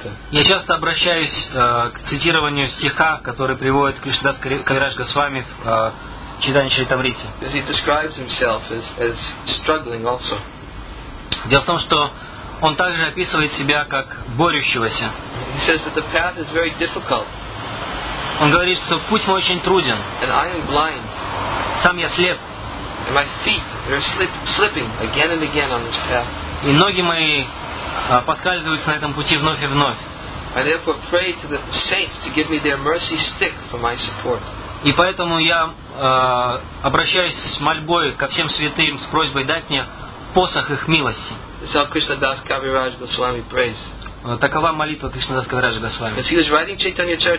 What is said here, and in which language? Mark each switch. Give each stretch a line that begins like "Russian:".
Russian: Я часто обращаюсь к цитированию стиха, который приводит Кришнадас Кавираж Госвами в Чайтанья Чаритамрите. Дело в том, что он также описывает себя как борющегося.
English: He says that the path is very difficult.
Russian: Он говорит, что путь мой очень труден.
English: And I am blind.
Russian: Сам я слеп.
English: And my feet are slipping again and again on this path.
Russian: И ноги мои поскальзываются на этом пути вновь и вновь.
English: I therefore pray to the saints to give me their mercy stick for my support.
Russian: И поэтому я обращаюсь с мольбой ко всем святым с просьбой дать мне посох их милости. Такова молитва Кришнадас Кавираж Госвами.